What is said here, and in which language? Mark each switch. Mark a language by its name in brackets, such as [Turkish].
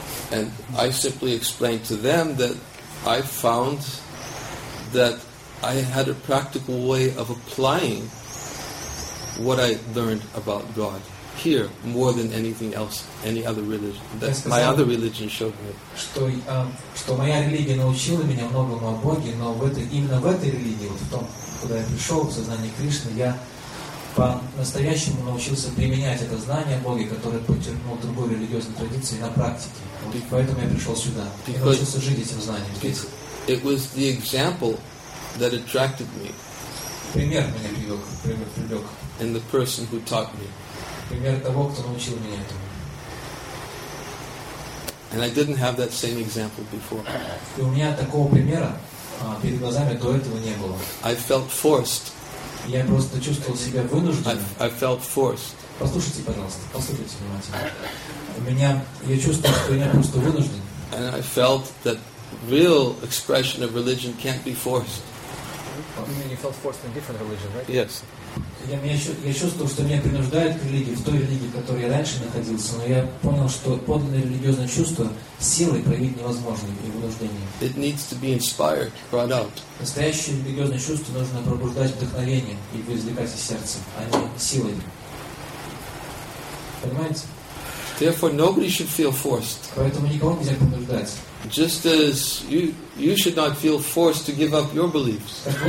[English] And I simply explained to them that I found that I had a practical way of applying what I learned about God here more than anything else, any other religion. That my other religion showed me. [Russian] Что моя религия научила меня многому о Боге, но именно в этой религии, вот в том, куда я пришел, в сознание Кришны, я по-настоящему научился применять это знание о Боге, которое подчеркнул другой религиозной традиции на практике. Вот поэтому я пришел сюда. И научился жить этим знанием. [English] It was the example that attracted me. [Russian] Пример меня привлек. [English] And the person who taught me. [Russian] Пример того, кто научил меня этому. [English] And I didn't have that same example before. [Russian] И у меня такого примера перед глазами до этого не было. [English] I felt forced. [Russian] Я просто чувствовал себя вынужденным. [English] I felt forced. [Russian] Послушайте, пожалуйста, послушайте внимательно. Я чувствовал, что я просто вынужден. [English] And I felt that real expression of religion can't be forced. You felt forced in different religion, right? Yes. [Russian] Я чувствовал, что меня принуждают к религии, в той религии, в которой я раньше находился, но я понял, что подлинное религиозное чувство силой проявить невозможно и вынуждение. [English] It needs to be inspired, brought out. [Russian] Настоящее религиозное чувство нужно пробуждать вдохновение и извлекать из сердца, а не силой. Понимаете? [English] Therefore, nobody should feel forced. [Russian] Поэтому никого нельзя принуждать. [English] Just as you should not feel forced to give up your beliefs.